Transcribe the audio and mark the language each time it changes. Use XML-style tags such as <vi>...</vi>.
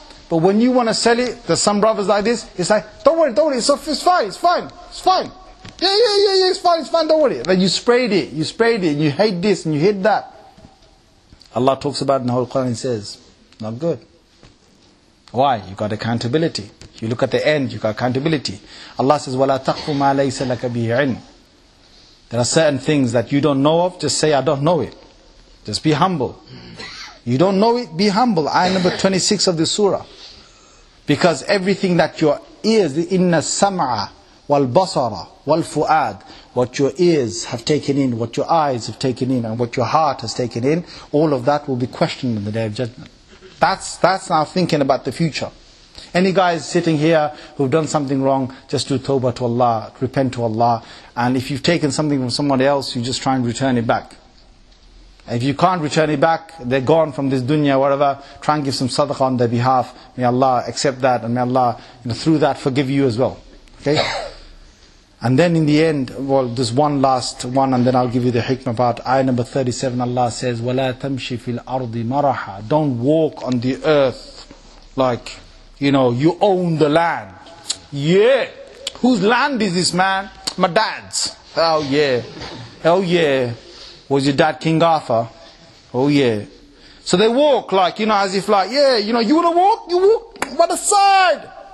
<en>But when you want to sell it, there's some brothers like this, it's like, don't worry, it's fine. Yeah, it's fine, don't worry. Then you sprayed it, and you hate this, and you hate that. Allah talks about it in the whole Quran and says, not good. Why? You got accountability. You look at the end, you got accountability. Allah says,</en> <ar>وَلَا تَقْفُ مَا لَيْسَ لَكَ بِهِ عِلْمٍ.</ar> <en>There are certain things that you don't know of, just say, I don't know it. Just be humble. You don't know it, be humble. Ayah number 26 of the surah. Because everything that your ears, the</en> <ar>inna sama'a, wal-basara, wal-fu'ad,</ar> <en>what your ears have taken in, what your eyes have taken in, and what your heart has taken in, all of that will be questioned on the Day of Judgment. That's now thinking about the future. Any guys sitting here who've done something wrong, just do tawbah to Allah, repent to Allah. And if you've taken something from somebody else, you just try and return it back. If you can't return it back, they're gone from this dunya, whatever, try and give some sadaqah on their behalf. May Allah accept that, and may Allah, you know, through that forgive you as well. Okay? And then in the end, well, there's one last one, and then I'll give you the hikmah part. Ayah number 37, Allah says,</en> <ar>وَلَا تَمْشِ فِي الْأَرْضِ مَرَحًا.</ar> <en>Don't walk on the earth like, you know, you own the land. Yeah. Whose land is this, man? My dad's. Oh, yeah. Was your dad King Arthur? Oh, yeah. So they walk like, you know, as if like, yeah, you know, you want to walk? You walk by the side.</en>